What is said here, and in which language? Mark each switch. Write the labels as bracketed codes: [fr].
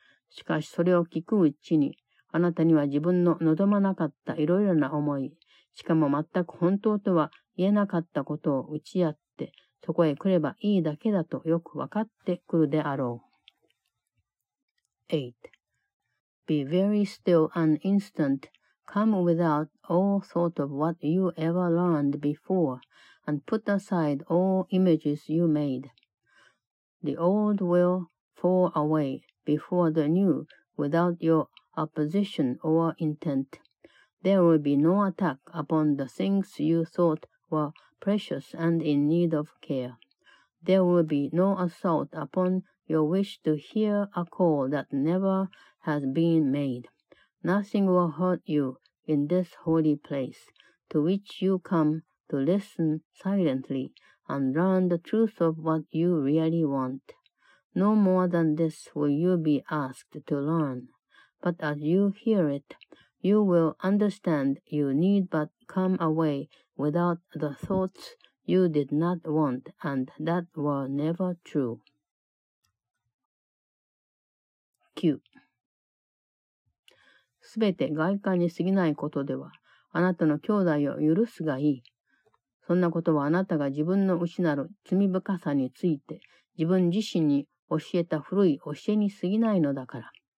[ja] しかしそれを聞くうちに、あなたには自分の望まなかったいろいろな思い、しかも全く本当とは言えなかったことを打ち合って、そこへ来ればいいだけだとよく分かってくるであろう。 8. [en] Be very still an instant. Come without all thought of what you ever learned before, and put aside all images you made. The old will fall away before the new without your opposition or intent. There will be no attack upon the things you thought were precious and in need of care. There will be no assault upon your wish to hear a call that never has been made. Nothing will hurt you in this holy place, to which you come to listen silently and learn the truth of what you really want. No more than this will you be asked to learn, but as you hear it, you will understand you need but come away without the thoughts you did not want and that were never true. [ja] すべて外観に過ぎないことでは、あなたの兄弟を許すがいい。そんなことはあなたが自分の失う罪深さについて、自分自身に教えた古い教えに過ぎないのだから。